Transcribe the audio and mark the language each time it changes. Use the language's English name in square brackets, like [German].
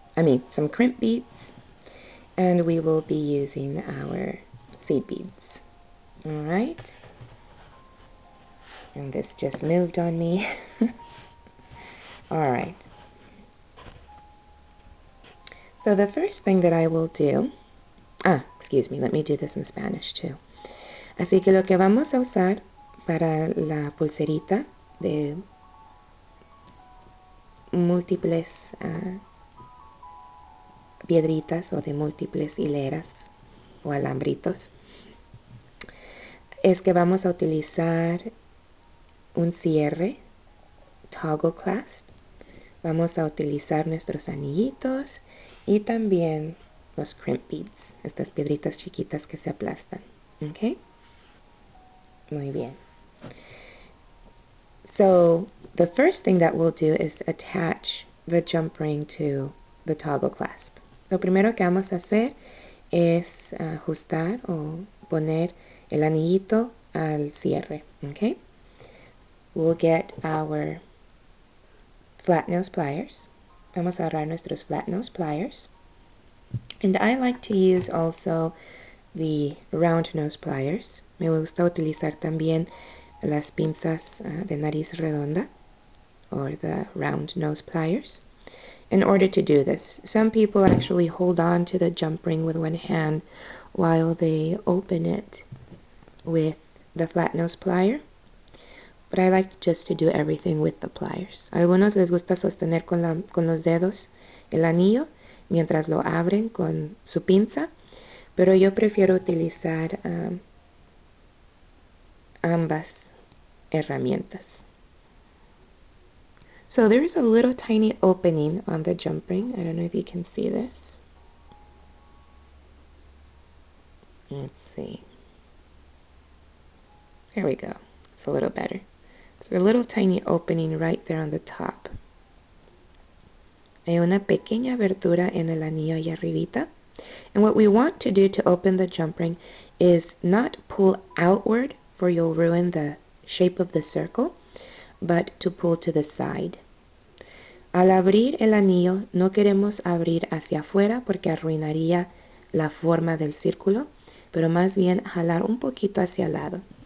[English] I mean, some crimp beads. And we will be using our seed beads. All right. And this just moved on me. All right. So the first thing that I will do... excuse me, let me do this in Spanish too. [Spanish] Así que lo que vamos a usar para la pulserita de múltiples piedritas o de múltiples hileras o alambritos es que vamos a utilizar un cierre, toggle clasp. Vamos a utilizar nuestros anillitos y también los crimp beads, estas piedritas chiquitas que se aplastan. ¿Ok? Muy bien. [English] So, the first thing that we'll do is attach the jump ring to the toggle clasp. [Spanish] Lo primero que vamos a hacer es ajustar o poner el anillito al cierre. [English] ¿Ok? We'll get our flat nose pliers. [Spanish] Vamos a agarrar nuestros flat nose pliers. [English] And I like to use also the round nose pliers. [Spanish] Me gusta utilizar también las pinzas de nariz redonda, [English] or the round nose pliers, [Spanish] in order to do this. [English] Some people actually hold on to the jump ring with one hand while they open it with the flat nose plier. But I like just to do everything with the pliers. [Spanish] A algunos les gusta sostener con los dedos el anillo mientras lo abren con su pinza, pero yo prefiero utilizar ambas herramientas. [English] So there is a little tiny opening on the jump ring. I don't know if you can see this. Let's see. There we go. It's a little better. So a little tiny opening right there on the top. [Spanish] Hay una pequeña abertura en el anillo allá arribita. [English] And what we want to do to open the jump ring is not pull outward, for you'll ruin the shape of the circle, but to pull to the side. [Spanish] Al abrir el anillo, no queremos abrir hacia afuera porque arruinaría la forma del círculo, pero más bien jalar un poquito hacia el lado.